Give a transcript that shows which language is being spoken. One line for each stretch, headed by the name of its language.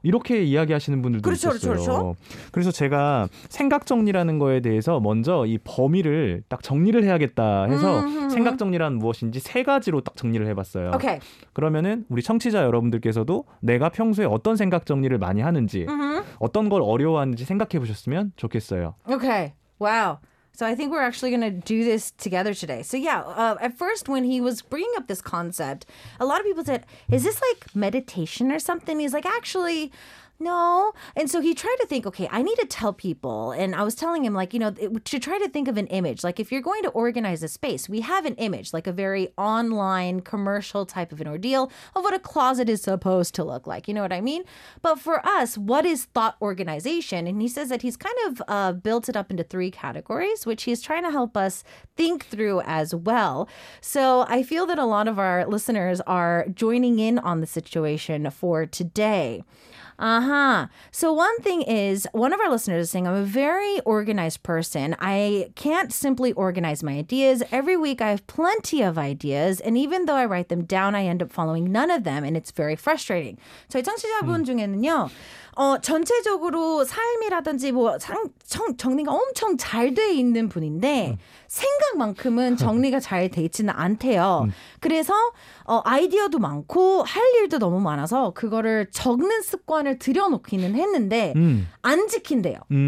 Korean: 이렇게 이야기하시는 분들도 그렇죠, 있었어요. 그렇죠, 그렇죠. 그래서 제가 생각 정리라는 거에 대해서 먼저 이 범위를 딱 정리를 해야겠다 해서 생각 정리란 무엇인지 세 가지로 딱 정리를 해봤어요. 오케이. 그러면은 우리 청취자 여러분들께서도 내가 평소에 어떤 생각 정리를 많이 하는지 어떤 걸 어려워하는지 생각해보셨으면 좋겠어요. 오케이. 와우.
English: So I think we're actually going to do this together today. So yeah, at first when he was bringing up this concept, a lot of people said, is this like meditation or something? He's like, actually, no. And so he tried to think, okay, I need to tell people. And I was telling him like, you know, to try to think of an image. Like if you're going to organize a space, we have an image, like a very online commercial type of an ordeal of what a closet is supposed to look like. You know what I mean? But for us, what is thought organization? And he says that he's kind of built it up into three categories, which he's trying to help us think through as well. So I feel that a lot of our listeners are joining in on the situation for today. Uh-huh. So one thing is, one of our listeners is saying, I'm a very organized person. I can't simply organize my ideas. Every week I have plenty of ideas. And even though I write them down, I end up following none of them. And it's very frustrating.
Korean: 저희 청취자분 중에는요. 전체적으로 삶이라든지 뭐 정리가 엄청 잘 돼 있는 분인데 생각만큼은 정리가 잘 돼 있지는 않대요. 그래서 아이디어도 많고 할 일도 너무 많아서 그거를 적는 습관을 들여놓기는 했는데 안 지킨대요.